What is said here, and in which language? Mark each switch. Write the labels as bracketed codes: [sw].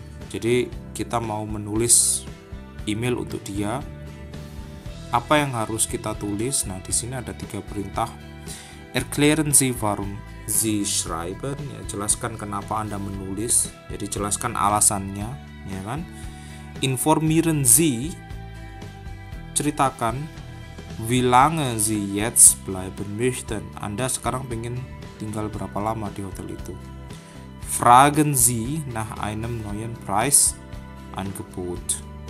[id] Jadi kita mau menulis email untuk dia. Apa yang harus kita tulis? Nah, di sini ada 3 perintah. [de] Erklären Sie, warum Sie schreiben, [id] ya, jelaskan kenapa Anda menulis. Jadi jelaskan alasannya, ya kan? [de] Informieren Sie, [id] ceritakan [de] wie lange Sie jetzt bleiben möchten. [id] Anda sekarang ingin tinggal berapa lama di hotel itu? [de] Fragen Sie nach einem neuen Preisangebot.